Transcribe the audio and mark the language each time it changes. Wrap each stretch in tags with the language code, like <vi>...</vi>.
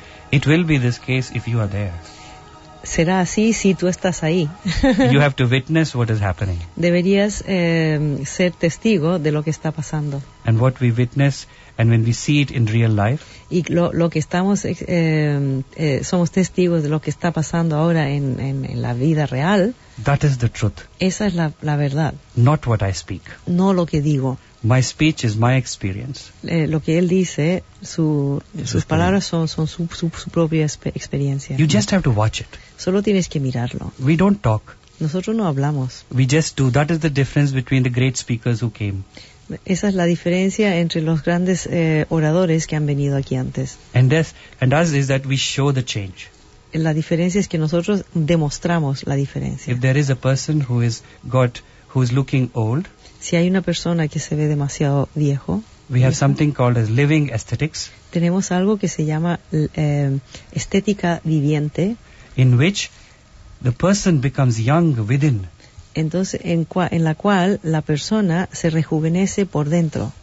<en>It will be this case if you are there.</en> <es>Será así si tú estás ahí.</es> <en>You have to witness what is happening.</en> <es>Deberías ser testigo de lo que está pasando.</es> <en>And what we witness, and when we see it in real life.</en> <es>Y lo que estamos somos testigos de lo que está pasando ahora en la vida real.</es> <en>That is the truth.</en> <es>Esa es la verdad.</es> <en>Not what I speak.</en> <es>No lo que digo.</es> <en>My speech is my experience.</en> <es>Lo que él dice, sus palabras son su propia experiencia.</es> <en>You just have to watch it.</en> <es>Solo tienes que mirarlo.</es> <en>We don't talk.</en> <es>Nosotros no hablamos.</es> <en>We just do. That is the difference between the great speakers who came.</en> <es>Esa es la diferencia entre los grandes oradores que han venido aquí antes.</es> <en>And us is that we show the change.</en> <es>La diferencia es que nosotros demostramos la diferencia.</es> <en>If there is a person who is looking old.</en> <es>Si hay una persona que se ve demasiado viejo,</es> <en>we have something called as living aesthetics.</en> <es>Tenemos algo que se llama estética viviente,</es> <en>in which the person becomes young within.</en> <es>Entonces, en la cual la persona se rejuvenece por dentro.</es>